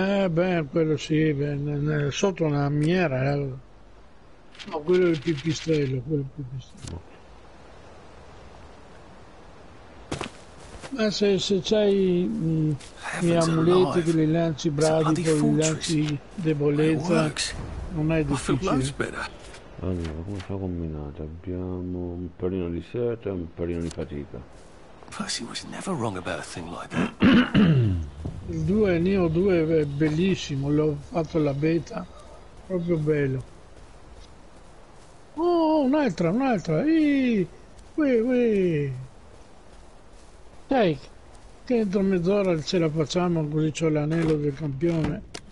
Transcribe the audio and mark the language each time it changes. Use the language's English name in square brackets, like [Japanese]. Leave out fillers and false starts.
[Italian] Beh, quello sì, sotto una miniera, ma quello è il pipistrello, Ma se c'hai i amuleti che li lanci bravi, poi li lanci debolezza, non è difficile. Allora, come sono combinate? Abbiamo un pelino di sete e un pelino di fatica. [English] Percy was never wrong about a thing like that. [Italian] Il 2, Neo 2 è bellissimo, l'ho fatto la beta, proprio bello. Oh, un'altra, sai che entro mezz'ora ce la facciamo, così c'ho l'anello del campione.